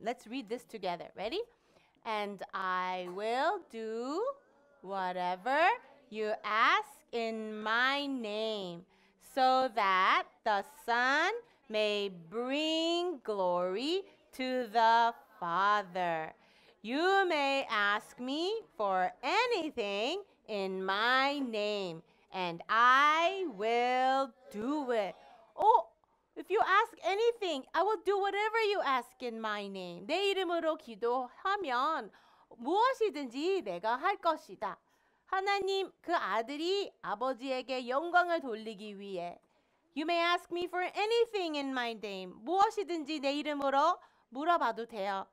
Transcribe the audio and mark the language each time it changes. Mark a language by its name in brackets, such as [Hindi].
[English] Let's read this together. Ready? And I will do whatever you ask in my name, so that the Son may bring glory to the Father. You may ask me for anything in my name, and I will do it. Oh, if you ask anything, I will do whatever you ask in my name. [Korean] 내 이름으로 기도하면 무엇이든지 내가 할 것이다. 하나님 그 아들이 아버지에게 영광을 돌리기 위해. [English] You may ask me for anything in my name. [Korean] 무엇이든지 내 이름으로 물어봐도 돼요.